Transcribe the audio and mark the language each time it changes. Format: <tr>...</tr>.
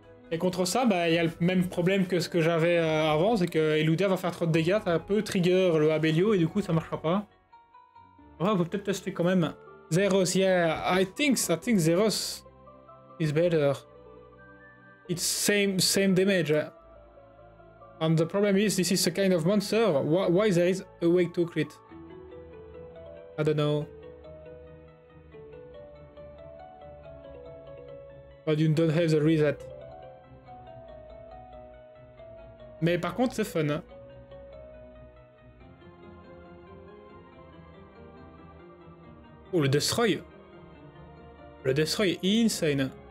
<fr>Et contre ça, bah il y a le même problème que ce que j'avais avant, c'est que Illudia va faire trop de dégâts, ça peut trigger le Abelio et du coup ça marchera pas. Ouais, on peut peut-être tester quand même.</fr> <en>Zeros, yeah, I think Zeros is better. It's same damage. And the problem is, this is a kind of monster. Why there is a way to crit? I don't know. But you don't have the reset.</en> <fr>Mais par contre, c'est fun. Oh, le destroy. Le destroy est insane.</fr>